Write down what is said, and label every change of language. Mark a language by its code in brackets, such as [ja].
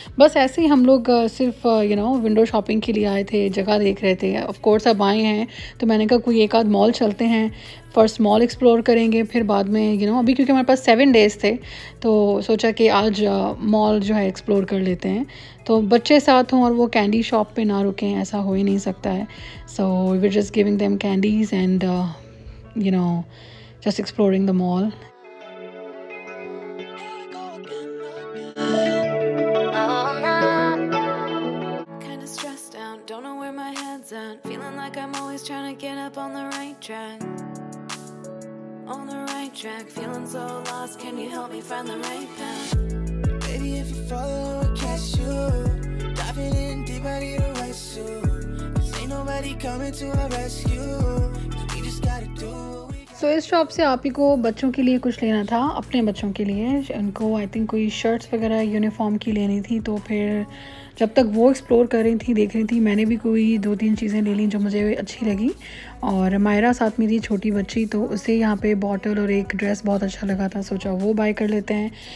[hi] बस ऐसे ही हम लोग सिर्फ यू नो विंडो शॉपिंग के लिए आए थे, जगह देख रहे थे, ऑफ कोर्स अब आए हैं तो मैंने कहा कोई एक आध मॉल चलते हैं, फर्स्ट मॉल एक्सप्लोर करेंगे फिर बाद में यू नो, अभी क्योंकि हमारे पास 7 days थे तो सोचा कि आज मॉल जो है एक्सप्लोर कर लेते हैं, तो बच्चे साथ हों और वो कैंडी शॉप पर ना रुकें ऐसा हो ही नहीं सकता है, [en] So we are just giving them candies and you know just exploring the mall. Kind of stressed out, don't know where my head's at, feeling like I'm always trying to get up on the right track, on the right track, feeling so lost, can you help me find the right path, baby if you follow I'll catch you, diving in deep I need a rescue, cause ain't nobody coming to our rescue, we just gotta do. [hi] सो इस shop से आप ही को बच्चों के लिए कुछ लेना था, अपने बच्चों के लिए उनको आई थिंक कोई शर्ट्स वगैरह यूनिफॉर्म की लेनी थी, तो फिर जब तक वो एक्सप्लोर कर रही थी देख रही थी मैंने भी कोई 2-3 चीज़ें ले ली जो मुझे अच्छी लगी, और मायरा साथ में थी छोटी बच्ची तो उसे यहाँ पे बॉटल और एक ड्रेस बहुत अच्छा लगा था, सोचा वो बाय कर लेते हैं।